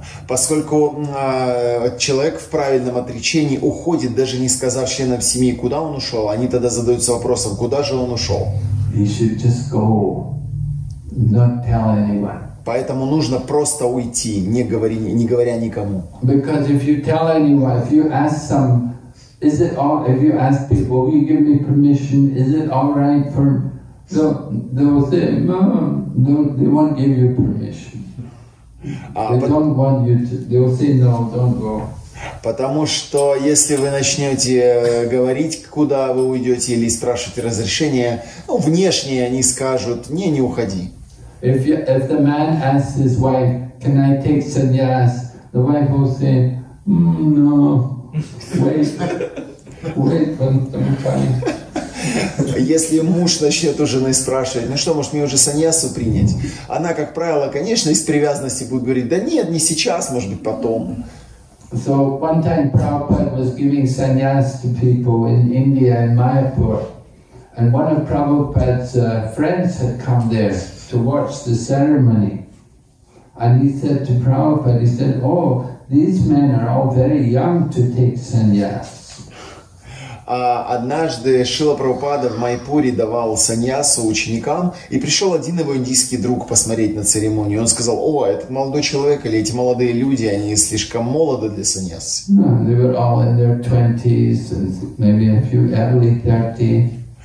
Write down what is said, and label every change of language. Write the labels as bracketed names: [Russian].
[Russian] Поскольку человек в правильном отречении уходит, даже не сказав членам семьи, куда он ушел, они тогда задаются вопросом, куда же он ушел? [English] He should just go, not tell anyone. [Russian] Поэтому нужно просто уйти, не говоря никому. [English] Because if you tell anyone, if you ask people, will you give me permission, is it all right for me? So they will say, no, they won't give you permission. They will say, no, don't go. [Russian] Потому что если вы начнете говорить, куда вы уйдете, или спрашивать разрешение, ну, внешне они скажут, не уходи. [English] If the man asks his wife, can I take sannyas, the wife will say, no, wait for some time. [Russian] Если муж начнет у жены спрашивать, ну что, может мне уже саньясу принять? Она, как правило, конечно, из привязанности будет говорить, да нет, не сейчас, может быть, потом. [English] So one time Prabhupada was giving sannyas to people in India, in Mayapur. And one of Prabhupada's friends had come there to watch the ceremony. And he said to Prabhupada, he said, oh, these men are all very young to take sannyas. [Russian] Однажды Шрила Прабхупада в Майпуре давал саньясу ученикам, и пришел один его индийский друг посмотреть на церемонию. Он сказал, о, этот молодой человек или эти молодые люди, они слишком молоды для саньясы. [English] No, they were all in their 20s, maybe a few early 30.